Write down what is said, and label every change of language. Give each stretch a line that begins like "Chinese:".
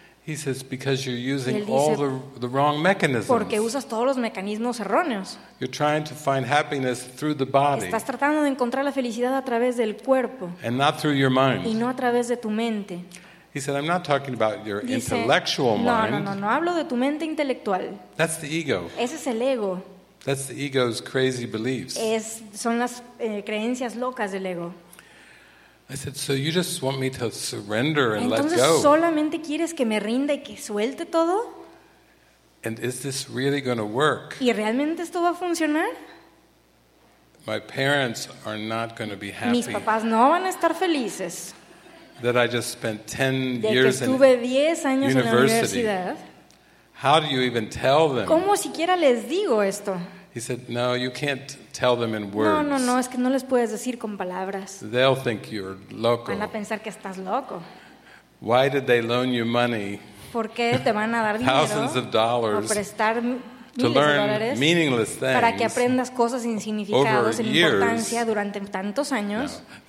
English: He says because you're using all the wrong mechanisms.
Spanish: Porque usas todos los mecanismos erróneos.
English: You're trying to find happiness through the body.
Spanish: Estás tratando de encontrar la felicidad a través del cuerpo.
English: And not through your mind.
Spanish: Y no a través de tu mente.
English: He said, "I'm not talking about your intellectual mind."
Spanish: No, hablo de tu mente intelectual.
English: That's the ego.
Spanish: Ese es el ego.
English: That's the ego's crazy beliefs.
Spanish: Son las creencias locas del ego.
English: I said, "So you just want me to surrender and
Spanish: Entonces,
English: let go?"
Spanish: Entonces, ¿solamente quieres que me rinda y que suelte todo?
English: And is this really going to work?
Spanish: ¿Y realmente esto va a funcionar?
English: My parents are not going to be happy.
Spanish: Mis papás no van a estar felices.
English: That I just spent 10
Spanish: de
English: years
Spanish: que estuve 10 años
English: university.
Spanish: En la universidad.
English: How do you even tell them?
Spanish: ¿Cómo siquiera les digo esto?
English: He said, "No, you can't tell them in words."
Spanish: No, es que no les puedes decir con palabras.
English: They'll think you're loco.
Spanish: Van a pensar que estás loco.
English: Why did they loan you money?
Spanish: ¿Por qué te van a dar dinero?
English: Thousands of dollars.
Spanish: Para prestar
English: to learn meaningless things.
Spanish: Para que aprendas cosas sin significado, sin importancia durante tantos años.